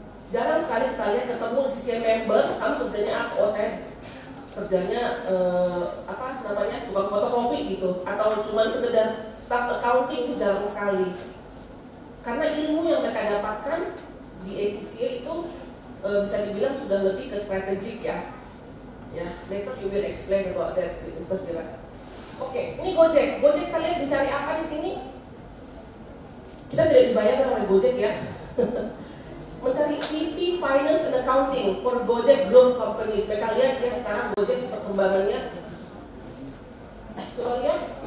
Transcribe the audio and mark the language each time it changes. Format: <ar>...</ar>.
<id>Jarang sekali kita lihat ketemu CCA member, kamu kerjanya apa? Oh, saya kerjanya apa namanya tukang fotokopi gitu, atau cuma sekedar staff accounting itu jarang sekali. Karena ilmu yang mereka dapatkan di ACCA itu bisa dibilang sudah lebih ke strategik ya.</id> <en>Ya, later you will explain about that, Mr.</en> <id>Giras. Oke, ini Gojek. Gojek kalian mencari apa di sini? Kita tidak dibayar oleh Gojek ya. Mencari VP Finance and Accounting for Gojek Growth Companies. Mereka lihat ya sekarang Gojek perkembangannya. Coba lihat.</id>